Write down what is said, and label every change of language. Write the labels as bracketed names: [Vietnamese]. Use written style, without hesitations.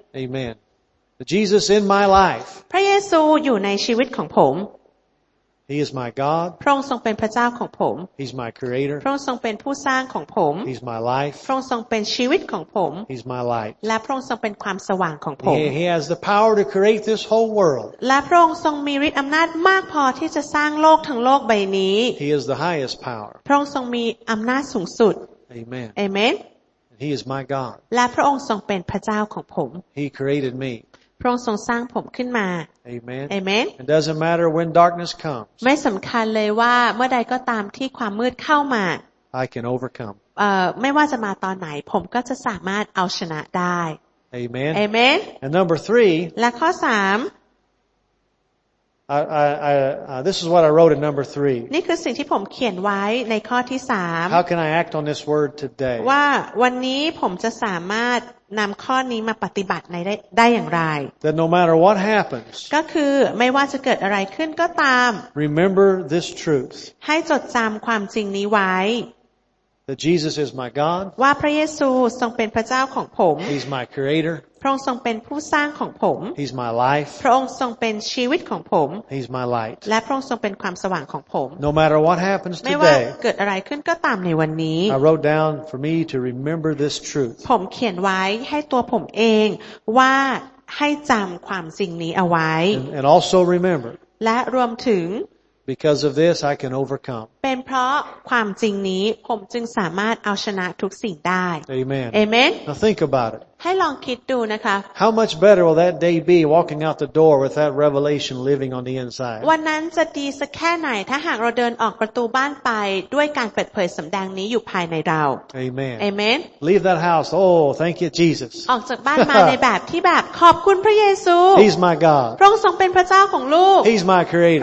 [English] Amen Jesus in my life [Thai] พระเยซูอยู่ในชีวิตของผม [English] He is my God [Thai] พระองค์ทรงเป็นพระเจ้าของผม [English] He's my creator [Thai] พระองค์ทรงเป็นผู้สร้างของผม [English] He's my life [Thai] พระองค์ทรงเป็นชีวิตของผม [English] He's my light [Thai] และพระองค์ทรงเป็นความสว่างของผม [English] He has the power to create this whole world [Thai] และพระองค์ทรงมีฤทธิ์อำนาจมากพอที่จะสร้างโลกทั้งโลกใบนี้ [English] He is the highest power [Thai] พระองค์ทรงมีอำนาจสูงสุด [English] Amen Amen He is my God [Thai] และพระองค์ทรงเป็นพระเจ้าของผม [English] He created me [Thai] พระองค์ทรงสร้างผมขึ้นมา [English] Amen. Amen. It doesn't matter when darkness comes. [Thai] ไม่สำคัญเลยว่าเมื่อใดก็ตามที่ความมืดเข้ามา [English] I can overcome. [Thai] ไม่ว่าจะมาตอนไหนผมก็จะสามารถเอาชนะได้ [English] Amen. Amen. And number 3. [Thai] และข้อ 3. [English] I this is what I wrote in number 3. [Thai] นี่คือสิ่งที่ผมเขียนไว้ในข้อที่ 3. [English] How can I act on this word today? [Thai] ว่าวันนี้ผมจะสามารถนำข้อนี้มาปฏิบัติในได้อย่างไร [English] That no matter what happens [Thai] ก็คือไม่ว่าจะเกิดอะไรขึ้นก็ตาม [English] Remember this truth [Thai] ให้จดจำความจริงนี้ไว้ [English] That Jesus is my God. [Thai] ว่าพระเยซูทรงเป็นพระเจ้าของผม [English] He's my Creator. [Thai] พระองค์ทรงเป็นผู้สร้างของผม [English] He's my Life. [Thai] พระองค์ทรงเป็นชีวิตของผม [English] He's my Light. [Thai] และพระองค์ทรงเป็นความสว่างของผม [English] No matter what happens today. [Thai] ไม่ว่าเกิดอะไรขึ้นก็ตามในวันนี้ [English] I wrote down for me to remember this truth. [Thai] ผมเขียนไว้ให้ตัวผมเองว่าให้จำความสิ่งนี้เอาไว้ [English] and also remember. [Thai] และรวมถึง [English] Because of this, I can overcome. [Thai] เป็นเพราะความจริงนี้ผมจึงสามารถเอาชนะทุกสิ่งได้ [English] Amen. Amen. Now think about it. [Thai] ให้ลองคิดดูนะคะ [English] How much better will that day be walking out the door with that revelation living on the inside? [Thai] วันนั้นจะดีสักแค่ไหนถ้าหากเราเดินออกประตูบ้านไปด้วยการเปิดเผยสำแดงนี้อยู่ภายในเรา [English] Amen. Amen. Leave that house. Oh, thank you, Jesus. [Thai] ออกจากบ้านมาในแบบที่แบบขอบคุณพระเยซู [English] He's my God. [Thai] พระองค์ทรงเป็นพระเจ้าของลูก [English] He's my Creator.